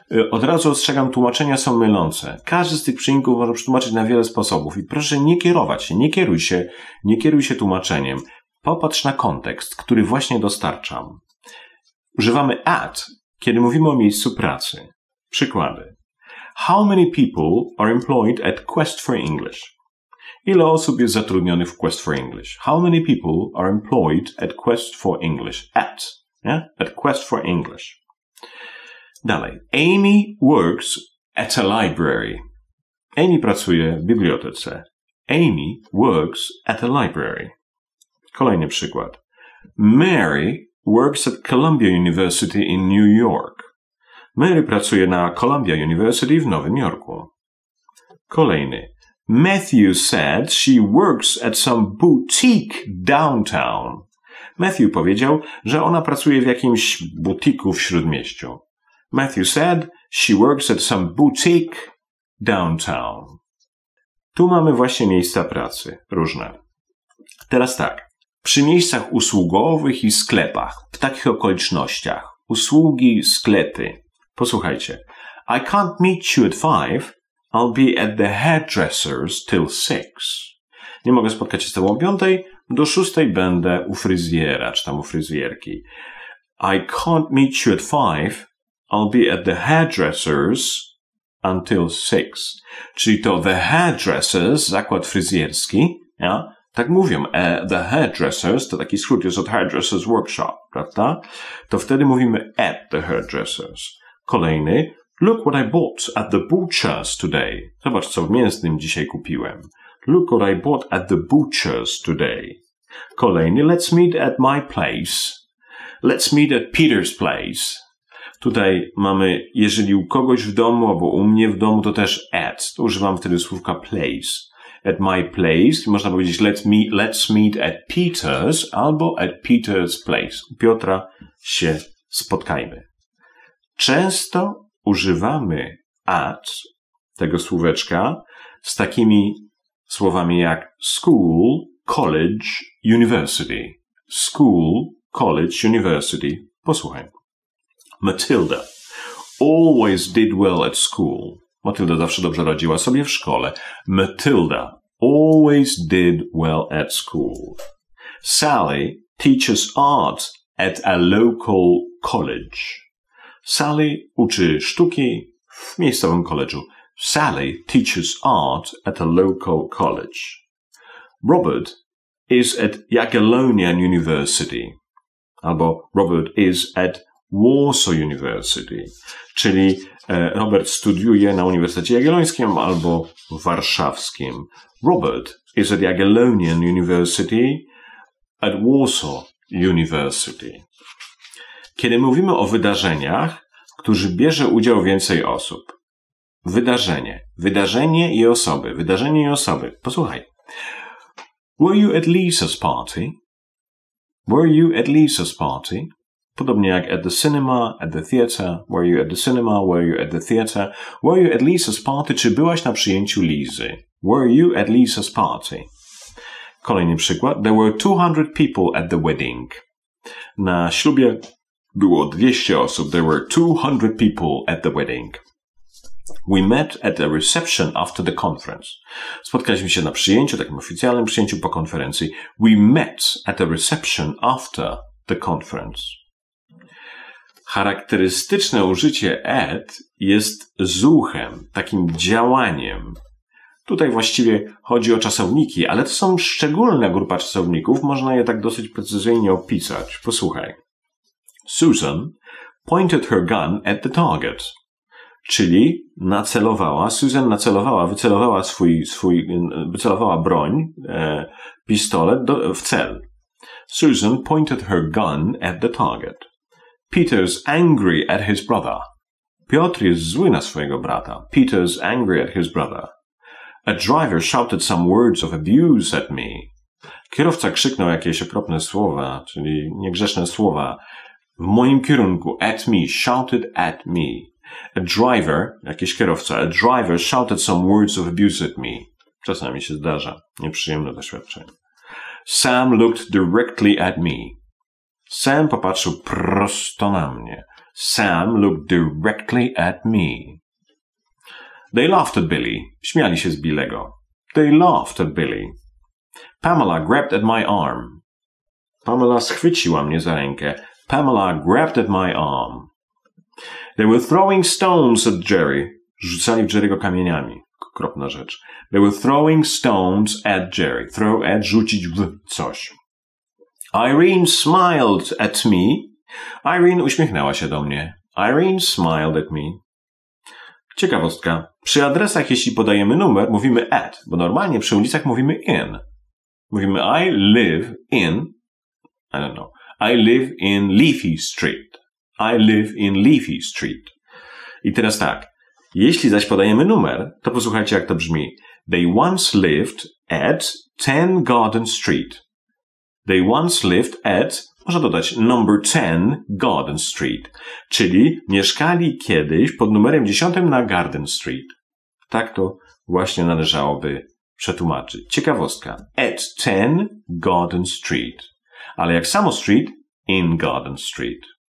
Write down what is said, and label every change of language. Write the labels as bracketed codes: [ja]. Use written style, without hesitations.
[pl] Od razu ostrzegam, tłumaczenia są mylące. Każdy z tych przyimków może przetłumaczyć na wiele sposobów. I proszę nie kierować się, nie kieruj się tłumaczeniem. Popatrz na kontekst, który właśnie dostarczam. Używamy at, kiedy mówimy o miejscu pracy. Przykłady. [en] How many people are employed at Quest for English? [pl] Ile osób jest zatrudnionych w Quest for English? [en] How many people are employed at Quest for English? At. Yeah? At Quest for English. [pl] Dalej. [en] Amy works at a library. [pl] Amy pracuje w bibliotece. [en] Amy works at a library. [pl] Kolejny przykład. [en] Mary works at Columbia University in New York. [pl] Mary pracuje na Columbia University w Nowym Jorku. Kolejny. [en] Matthew said she works at some boutique downtown. [pl] Matthew powiedział, że ona pracuje w jakimś butiku w śródmieściu. [en] Matthew said she works at some boutique downtown. [pl] Tu mamy właśnie miejsca pracy. Różne. Teraz tak. Przy miejscach usługowych i sklepach, w takich okolicznościach, usługi, sklepy. Posłuchajcie. [en] I can't meet you at 5, I'll be at the hairdresser's till 6. [pl] Nie mogę spotkać się z tobą o 5, do 6 będę u fryzjera, czy tam u fryzjerki. [en] I can't meet you at 5, I'll be at the hairdresser's until 6. [pl] Czyli to the hairdresser's, zakład fryzjerski, ja? Tak mówią, the hairdressers, to taki skrót jest od hairdressers workshop, prawda? To wtedy mówimy at the hairdressers. Kolejny, [en] look what I bought at the butcher's today. [pl] Zobacz, co w mięsnym dzisiaj kupiłem. [en] Look what I bought at the butcher's today. [pl] Kolejny, [en] let's meet at my place. Let's meet at Peter's place. [pl] Tutaj mamy, jeżeli u kogoś w domu, albo u mnie w domu, to też at. Używam wtedy słówka place. [en] at my place, [pl] można powiedzieć [en] let's meet at Peter's [pl] albo [en] at Peter's place. [pl] U Piotra się spotkajmy. Często używamy at tego słóweczka z takimi słowami jak school, college, university. [en] School, college, university. [pl] Posłuchaj. [en] Matilda always did well at school. [pl] Matilda zawsze dobrze radziła sobie w szkole. [en] Matilda always did well at school. Sally teaches art at a local college. [pl] Sally uczy sztuki w miejscowym college'u. [en] Sally teaches art at a local college. Robert is at Jagiellonian University. [pl] Albo [en] Robert is at Warsaw University. [pl] Czyli Robert studiuje na Uniwersytecie Jagiellońskim albo Warszawskim. [en] Robert is at Jagiellonian University at Warsaw University. [pl] Kiedy mówimy o wydarzeniach, którzy bierze udział więcej osób. Wydarzenie. Wydarzenie i osoby. Wydarzenie i osoby. Posłuchaj. [en] Were you at Lisa's party? Were you at Lisa's party? [pl] Podobnie jak [en] at the cinema, at the theater. Were you at the cinema? Were you at the theater? Were you at Lisa's party? [pl] Czy byłaś na przyjęciu Lizy? [en] Were you at Lisa's party? [pl] Kolejny przykład. [en] There were 200 people at the wedding. [pl] Na ślubie było 200 osób. [en] There were 200 people at the wedding. We met at the reception after the conference. [pl] Spotkaliśmy się na przyjęciu, takim oficjalnym przyjęciu po konferencji. [en] We met at the reception after the conference. [pl] Charakterystyczne użycie at jest zuchem, takim działaniem. Tutaj właściwie chodzi o czasowniki, ale to są szczególne grupa czasowników. Można je tak dosyć precyzyjnie opisać. Posłuchaj. [en] Susan pointed her gun at the target. [pl] Czyli nacelowała, Susan nacelowała, wycelowała swój wycelowała broń, pistolet w cel. [en] Susan pointed her gun at the target. Peter's angry at his brother. [pl] Piotr jest zły na swojego brata. [en] Peter's angry at his brother. A driver shouted some words of abuse at me. [pl] Kierowca krzyknął jakieś okropne słowa, czyli niegrzeczne słowa, w moim kierunku, [en] at me, shouted at me. A driver, [pl] jakiś kierowca, [en] a driver shouted some words of abuse at me. [pl] Czasami się zdarza, nieprzyjemne doświadczenie. [en] Sam looked directly at me. [pl] Sam popatrzył prosto na mnie. [en] Sam looked directly at me. They laughed at Billy. [pl] Śmiali się z Billego. [en] They laughed at Billy. Pamela grabbed at my arm. [pl] Pamela schwyciła mnie za rękę. [en] Pamela grabbed at my arm. They were throwing stones at Jerry. [pl] Rzucali w Jerry'ego kamieniami. Okropna rzecz. [en] They were throwing stones at Jerry. Throw at, [pl] rzucić w coś. [en] Irene smiled at me. [pl] Irene uśmiechnęła się do mnie. [en] Irene smiled at me. [pl] Ciekawostka. Przy adresach, jeśli podajemy numer, mówimy at, bo normalnie przy ulicach mówimy in. Mówimy [en] I live in, I don't know, I live in Leafy Street. I live in Leafy Street. [pl] I teraz tak. Jeśli zaś podajemy numer, to posłuchajcie, jak to brzmi. [en] They once lived at 10 Garden Street. They once lived at, [pl] można dodać, [en] number 10 Garden Street. [pl] Czyli mieszkali kiedyś pod numerem 10 na Garden Street. Tak to właśnie należałoby przetłumaczyć. Ciekawostka. [en] At 10 Garden Street. [pl] Ale jak samo [en] street, in Garden Street.